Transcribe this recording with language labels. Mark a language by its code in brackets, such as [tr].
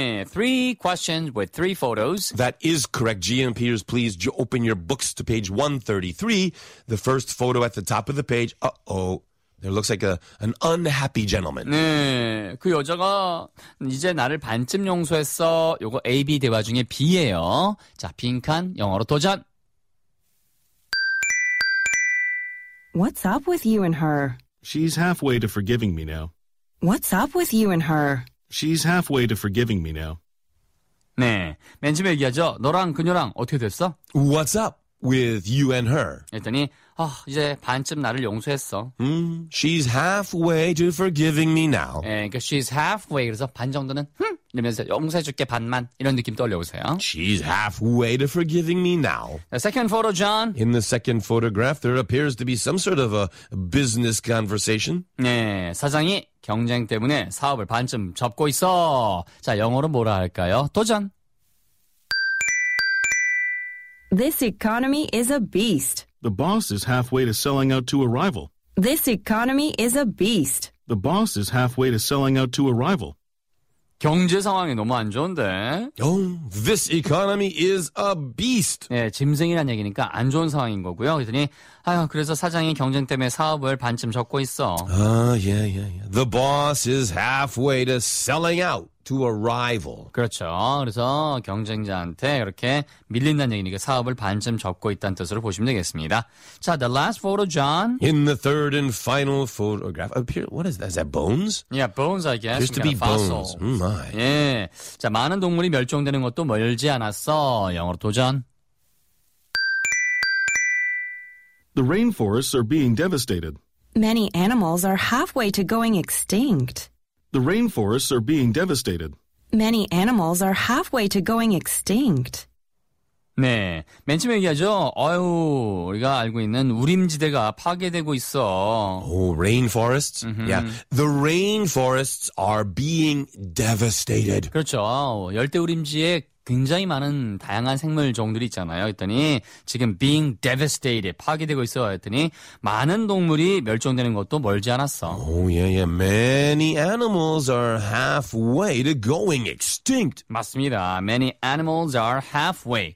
[en] Three questions with three photos. That is correct. GM Peters, please open your books to page 133. The first photo at the top of the page. Uh-oh. There looks like an unhappy gentleman. [ko] 네, 그 여자가 이제 나를 반쯤 용서했어. 요거 AB 대화 중에 B예요. 자, 빈칸 영어로 도전. [en] What's up with you and her? She's halfway to forgiving me now. What's up with you and her? She's halfway to forgiving me now. [ko] 네, 맨 처음에 얘기하죠. 너랑 그녀랑 어떻게 됐어? [en] What's up with you and her? [ko] 했더니 아, 이제 반쯤 나를 용서했어. [en] She's halfway to forgiving me now. [ko] 네, 그러니까 [en] she's halfway [ko] 그래서 반 정도는 이러면서 용서해줄게 반만 이런 느낌 떠올려보세요. [en] She's halfway to forgiving me now. The second photo, John. In the second photograph, there appears to be some sort of a business conversation. [ko] 네, 사장이 경쟁 때문에 사업을 반쯤 접고 있어. 자, 영어로 뭐라 할까요? 도전. [en] This economy is a beast. The boss is halfway to selling out to a rival. This economy is a beast. The boss is halfway to selling out to a rival. [ko] 경제 상황이 너무 안 좋은데. [en] Oh, this economy is a beast. [ko] 네, 짐승이란 얘기니까 안 좋은 상황인 거고요. 그랬더니, 아유, 그래서 사장이 경쟁 때문에 사업을 반쯤 접고 있어. [en] The boss is halfway to selling out to a rival. [ko] 그렇죠. 그래서 경쟁자한테 이렇게 밀린다는 얘기니까 사업을 반쯤 접고 있다는 뜻으로 보시면 되겠습니다. [en] 자, the last photo, John. In the third and final photograph, appear, what is that? Is that bones? Yeah, bones, I guess. Used to be bones. Oh, my. [ko] 예. 자, 많은 동물이 멸종되는 것도 멀지 않았어. 영어로 도전. [en] The rainforests are being devastated. Many animals are halfway to going extinct. The rainforests are being devastated. Many animals are halfway to going extinct. [ko] 네, 맨 처음에 얘기하죠. 아유, 우리가 알고 있는 우림지대가 파괴되고 있어. [en] Oh, rainforests? Mm-hmm. Yeah, the rainforests are being devastated. [ko] 그렇죠. 열대우림지에 굉장히 많은 다양한 생물종들이 있잖아요. 했더니 지금 [en] being devastated, [ko] 파괴되고 있어. 했더니 많은 동물이 멸종되는 것도 멀지 않았어. [en] Oh, yeah, yeah. Many animals are halfway to going extinct. [ko] 맞습니다. [en] Many animals are halfway.